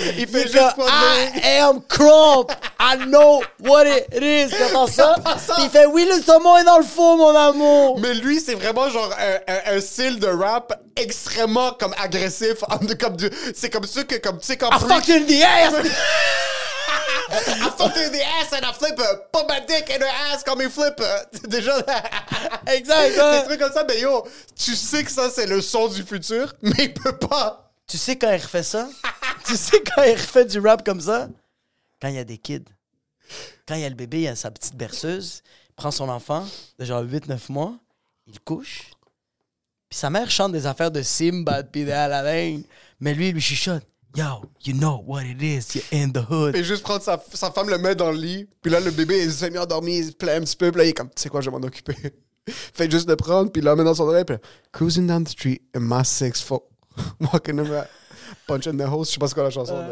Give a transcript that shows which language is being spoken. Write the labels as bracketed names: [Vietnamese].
[French] Il fait juste pas de... [English] « I am crump. I know what it is. [French] » Il fait « Oui, le saumon est dans le four, mon amour! » Mais lui, c'est vraiment genre un style de rap extrêmement comme agressif. C'est comme ça que... « [English] I fuck you in the ass! » I fucked her in the ass and I flip her. Put my dick in her ass, call me flipper. [French] Déjà. Exact. Des trucs comme ça, mais yo, tu sais que ça, c'est le son du futur, mais il peut pas. Tu sais quand il refait ça? Tu sais quand il refait du rap comme ça? Quand il y a des kids. Quand il y a le bébé, il y a sa petite berceuse, il prend son enfant, de genre 8-9 mois, il couche. Puis sa mère chante des affaires de Simba pis de Aladdin. Mais lui, il lui chuchote. [English] Yo, you know what it is, you're in the hood. [French] Et juste prendre sa femme, le mettre dans le lit. Puis là, le bébé, il s'est mis à dormir, il se plaît un petit peu. Puis là, il est comme, tu sais quoi, je vais m'en occuper. Fait juste le prendre, puis l'amener dans son oreille. Puis [English] cruising down the street in my 6'4. Walking around, punching the host. [French] Je sais pas ce qu'est la chanson.